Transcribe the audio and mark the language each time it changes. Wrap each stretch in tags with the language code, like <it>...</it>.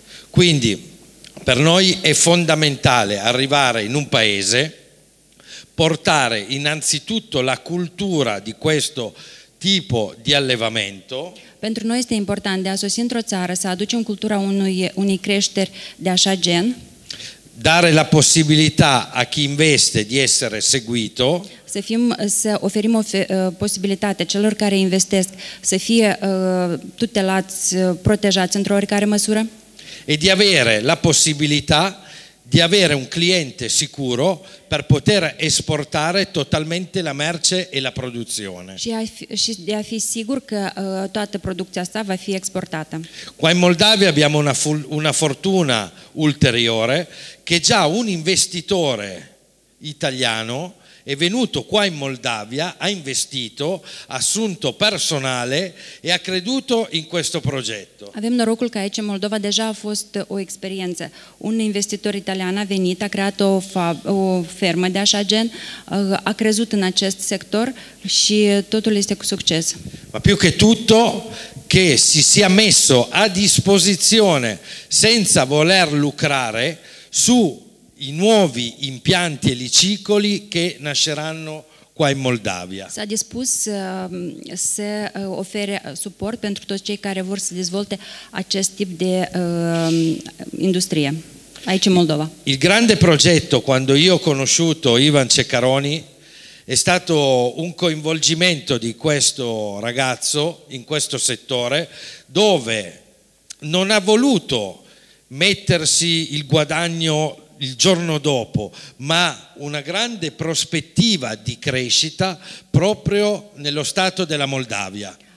<it>Quindi, per noi è fondamentale arrivare in un paese, portare innanzitutto la cultura di questo tipo di allevamento.</it> <ro>Pentru noi este important de a sosi într-o țară să aducem cultura unei creșteri de așa gen.</ro> <it>Dare la possibilità a chi investe di essere seguito.</it> <ro>Să oferim o posibilitate celor care investesc să fie tutelați, protejați într-o oricare măsură.</ro> <it>E di avere la possibilità di avere un cliente sicuro per poter esportare totalmente la merce e la produzione.</it> <ro>Și de a fi sigur că toată producția asta va fi exportată.</ro> <it>Qua in Moldavia abbiamo una fortuna ulteriore, che già un investitore italiano è venuto qua in Moldavia, ha investito, ha assunto personale e ha creduto in questo progetto.</it> <ro>Avem norocul că aici în Moldova deja a fost o experiență. Un investitor italian a venit, a creat o fermă de așa gen, a crezut în acest sector și totul este cu succes.</ro> <it>Ma più che tutto che si sia messo a disposizione senza voler lucrare su i nuovi impianti e licicoli che nasceranno qua in Moldavia.</it> <ro>S-a dispus să ofere suport pentru toți cei care vor să dezvolte acest tip de industrie aici în Moldova.</ro> <it>Il grande progetto, quando io ho conosciuto Ivan Ceccaroni, è stato un coinvolgimento di questo ragazzo in questo settore, dove non ha voluto mettersi il guadagno il giorno dopo, ma una grande prospettiva di crescita proprio nello stato della Moldavia.</it>